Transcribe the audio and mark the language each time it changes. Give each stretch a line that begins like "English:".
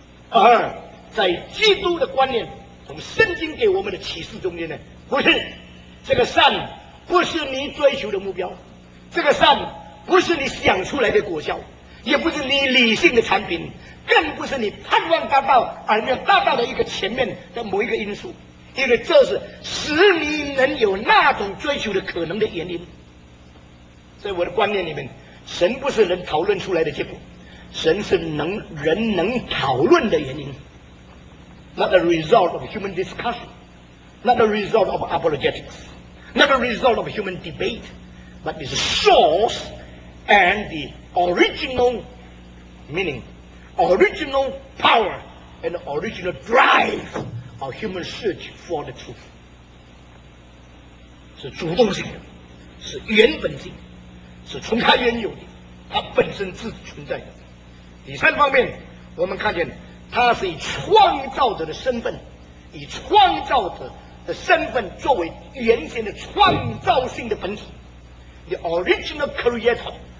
Chinese: 而在基督的观念，从圣经给我们的启示中间呢，不是这个善不是你追求的目标，这个善不是你想出来的果效，也不是你理性的产品，更不是你盼望达到而没有达到的一个前面的某一个因素，因为这是使你能有那种追求的可能的原因。在我的观念里面，神不是能讨论出来的结果，神是能人能讨论的原因。
English: Not a result of human discussion, Not a result of apologetics, Not a result of human debate, But is the source and the original meaning, Original power and original drive of human search for the truth.
Chinese: 是主动性的，是原本性，是从它原有的，它本身自存在的。第三方面，我们看见他是以创造者的身份，以创造者的身份作为原先的创造性的本体 ，
English: the original creator。